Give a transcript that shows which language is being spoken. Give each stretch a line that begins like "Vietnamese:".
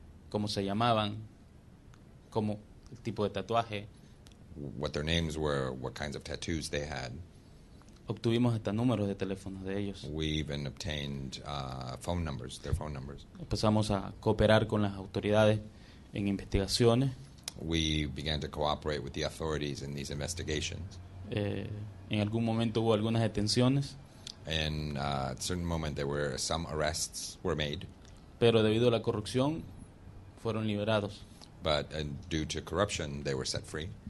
Spanish: Cómo se llamaban, cómo el tipo de tatuaje.
English: What their names were, what kinds of tattoos they had.
Spanish: Obtuvimos hasta números de teléfono de ellos.
English: We even obtained phone numbers, their phone numbers.
Spanish: Empezamos a cooperar con las autoridades en investigaciones.
English: We began to cooperate with the authorities in these investigations.
Spanish: En algún momento hubo algunas detenciones.
English: In a certain moment there were some arrests were made.
Spanish: Pero debido a la corrupción fueron liberados.
English: But due to corruption they were set free.